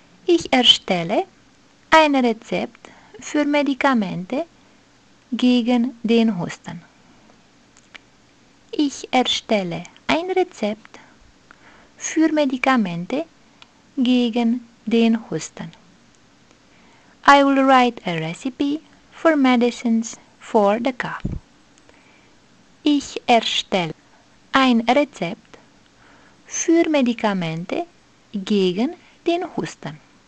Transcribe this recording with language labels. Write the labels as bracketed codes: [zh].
[de] Ich erstelle ein Rezept für Medikamente gegen den Husten. Ich erstelle ein Rezept für Medikamente gegen den Husten. [en] I will write a recipe for medicines for the cough. [de] Ich erstelle ein Rezept für Medikamente gegen den Husten.